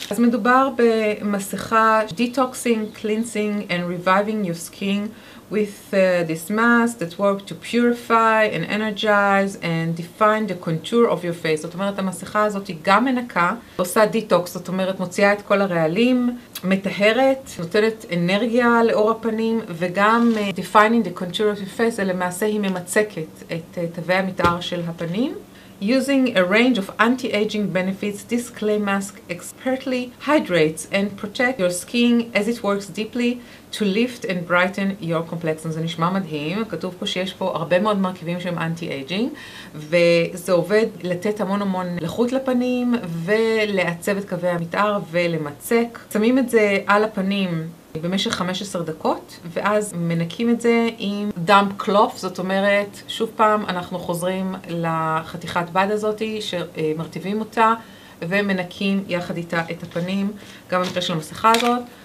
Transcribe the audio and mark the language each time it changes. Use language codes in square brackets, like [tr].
[he] אז מדובר במסכה [en] Detoxing, Cleansing and Reviving Your Skin with this mask that works to purify and energize and define the contour of your face. [he] זאת אומרת, המסכה הזאת היא גם מנקה, עושה דיטוקס, זאת אומרת, מוציאה את כל הרעלים, מטהרת, נותנת אנרגיה לאור הפנים, וגם [en] defining the contour of your face, [he] למעשה היא ממצקת את תווי המתאר של הפנים. [en] Using a range of anti-aging benefits, this clay mask expertly hydrates and protects your skin as it works deeply to lift and brighten your complexion. [he] זה נשמע מדהים, כתוב פה שיש פה הרבה מאוד מרכיבים שהם anti-aging, וזה עובד לתת המון המון לחות לפנים ולעצב את קווי המתאר ולמצק. שמים את זה על הפנים במשך 15 דקות, ואז מנקים את זה עם דאמפ קלוף, זאת אומרת, שוב פעם אנחנו חוזרים לחתיכת בד הזאת שמרטיבים אותה, ומנקים יחד איתה את הפנים, גם במקרה של המסכה הזאת.